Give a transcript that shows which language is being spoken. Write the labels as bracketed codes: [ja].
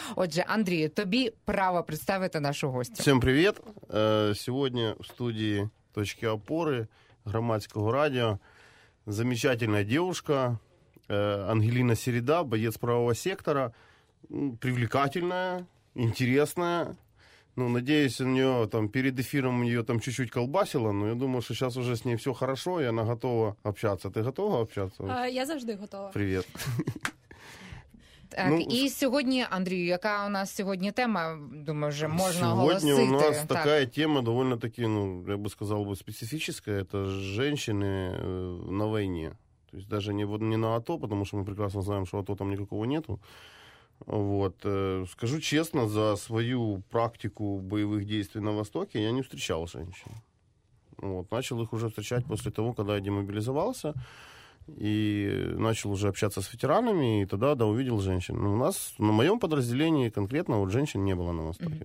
[uk] Отже, Андрію, тобі право представити нашу гостю. Всім привіт. Сьогодні в студії «Точки опори» громадського радіо замечательна дівчина Ангеліна Середа, боєць правого сектора, привлекательна, інтересна. [ru] Ну, надеюсь, у нее там перед эфиром ее там чуть-чуть колбасило, но я думаю, что сейчас уже с ней все хорошо, и она готова общаться. Ты готова общаться? [uk] Я завжди готова. [ru] Привет. [uk] Так, ну, і сьогодні, Андрію, яка у нас сьогодні тема, думаю, вже можна оголосити. Сьогодні у нас така тема довольно-таки, ну, я би сказав, специфічна, це жінки на війні. Тобто навіть не на АТО, тому що ми прекрасно знаємо, що АТО там нікого нету. [ru] Вот. Скажу честно, за свою практику боевых действий на Востоке я не встречал женщин. Вот. Начал их уже встречать после того, когда я демобилизовался. И начал уже общаться с ветеранами, и тогда, да, увидел женщин. Но у нас, на моем подразделении конкретно, вот женщин не было на Востоке.